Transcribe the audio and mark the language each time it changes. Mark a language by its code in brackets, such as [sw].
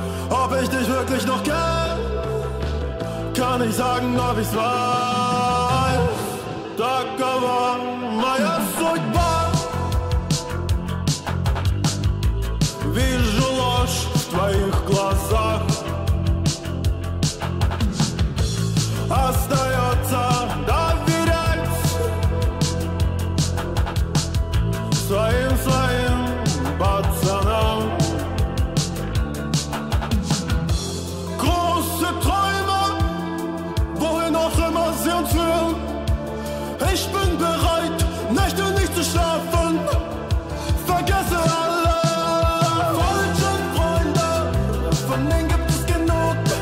[de] Hab ich dich wirklich noch gern? Kann ich sagen, ob ich's weiß? Danke, aber mein Herz so war. [ru] Вижу ложь в твоих глазах. Остается доверять своим пацанам. [de] Große Träume, wohin auch immer sie uns führen. Ich bin bereit, Nächte nicht zu schlafen. Vergesse alle falschen Freunde, von denen gibt es genug.